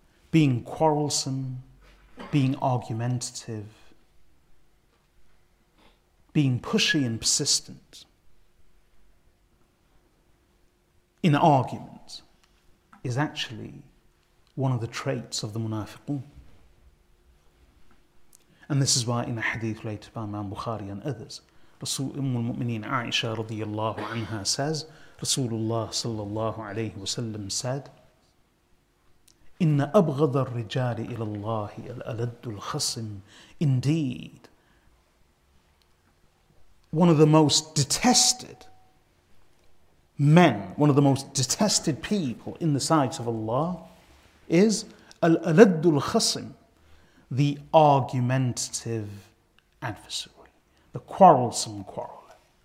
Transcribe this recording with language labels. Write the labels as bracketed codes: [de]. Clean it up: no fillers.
[en] Being quarrelsome, being argumentative, being pushy and persistent in argument is actually one of the traits of the munafiqun. And this is why in a hadith related by Imam Bukhari and others, Rasul Ummul Mu'mineen Aisha radiallahu anha says, Rasulullah sallallahu alayhi wa sallam said, [ar] إن أبغض الرجال إلى الله الألد الخصم. [en] Indeed, one of the most detested men, one of the most detested people in the sight of Allah is [ar] الألد الخصم, [en] the argumentative adversary, the quarrelsome quarreler.